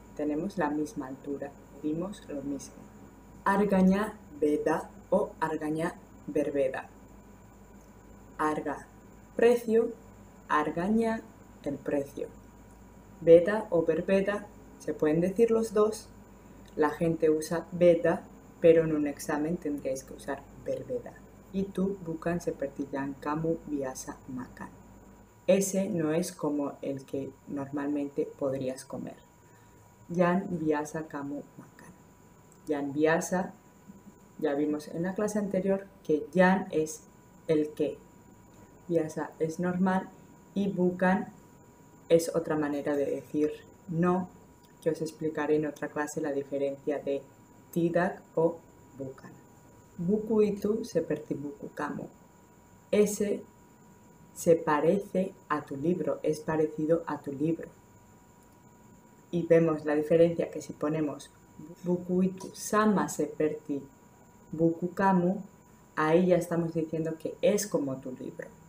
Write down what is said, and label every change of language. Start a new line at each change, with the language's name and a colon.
Spanish: Tenemos la misma altura, vimos lo mismo.
Indonesian: Harganya beda o harganya berbeda.
Spanish: Harga, precio, arganya, el precio. Beda o berbeda, se pueden decir los dos. La gente usa beda, pero en un examen tendréis que usar berbeda. Y tú,
Indonesian: bukan seperti yang kamu biasa makan.
Spanish: Ese no es como el que normalmente podrías comer.
Indonesian: Yang biasa kamu makan.
Spanish: Yang biasa, ya vimos en la clase anterior que yang es el que. Biasa es normal y bukan es otra manera de decir no, que os explicaré en otra clase la diferencia de tidak o bukan.
Indonesian: Buku itu seperti buku kamu.
Spanish: Ese se parece a tu libro, es parecido a tu libro. Y vemos la diferencia que si ponemos
Indonesian: buku itu sama seperti buku kamu,
Spanish: ahí ya estamos diciendo que es como tu libro.